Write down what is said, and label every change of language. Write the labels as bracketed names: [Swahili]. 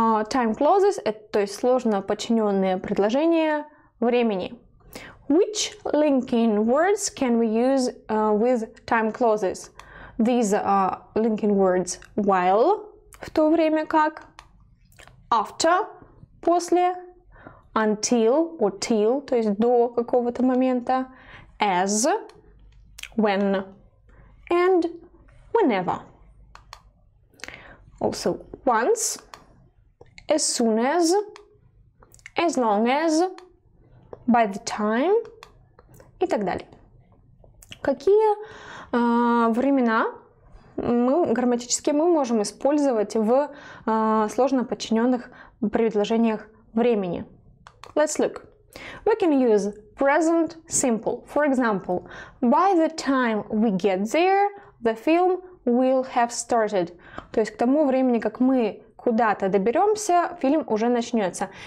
[Russian] Time clauses – это, то есть, сложно подчиненные предложения времени. [English] Which linking words can we use with time clauses? These are linking words while – в то время как, after – после, until – or till – то есть, до какого-то момента, as – when, and whenever. Also, once, as soon as long as, by the time, и так далее. [Russian] Какие времена мы грамматически мы можем использовать в сложно подчиненных предложениях времени? [English] Let's look. We can use present simple. For example, by the time we get there, the film will have started. [Russian] То есть к тому времени, как мы куда-то доберемся, фильм уже начнется.